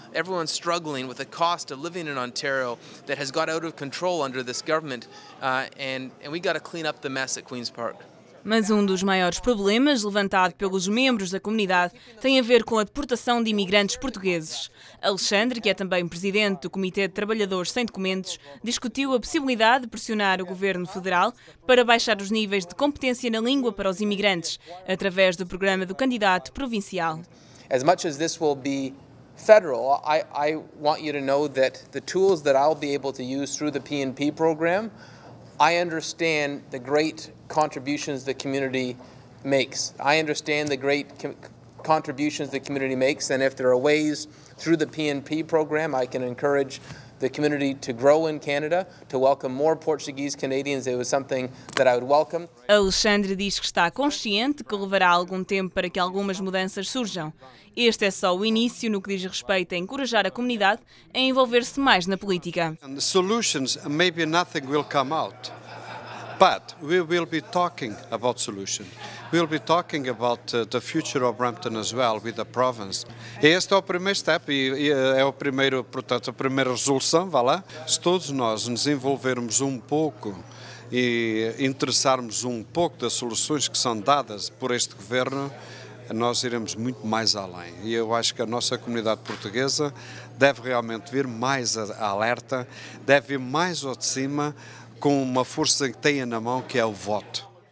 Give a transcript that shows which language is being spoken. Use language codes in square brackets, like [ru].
[en] Everyone's struggling with the cost of living in Ontario that has got out of control under this government. And we got to clean up the mess at Queen's Park. [pt] Mas um dos maiores problemas levantado pelos membros da comunidade tem a ver com a deportação de imigrantes portugueses. Alexandre, que é também presidente do Comitê de Trabalhadores Sem Documentos, discutiu a possibilidade de pressionar o governo federal para baixar os níveis de competência na língua para os imigrantes, através do programa do candidato provincial. [en] As much as this will be federal, I want you to know that the tools that I'll be able to use through the PNP program, I understand the great contributions the community makes. I understand the great contributions the community makes, and if there are ways through the PNP program, I can encourage the community to grow in Canada, to welcome more Portuguese Canadians. It was something that I would welcome. [pt] Alexandre diz que está consciente que levará algum tempo para que algumas mudanças surjam. Este é só o início no que diz respeito a encorajar a comunidade a envolver-se mais na política. [en] And the solutions, maybe nothing will come out. But we will be talking about solutions. We'll be talking about the future of Brampton as well with the province. [pt] E este é o primeiro step e é o primeiro, portanto, a primeira resolução, vá lá. Se todos nós nos envolvermos um pouco e interessarmos um pouco das soluções que são dadas por este governo, nós iremos muito mais além. E eu acho que a nossa comunidade portuguesa deve realmente vir mais alerta, deve vir mais ao de cima, com uma força que tenha na mão, que é o voto.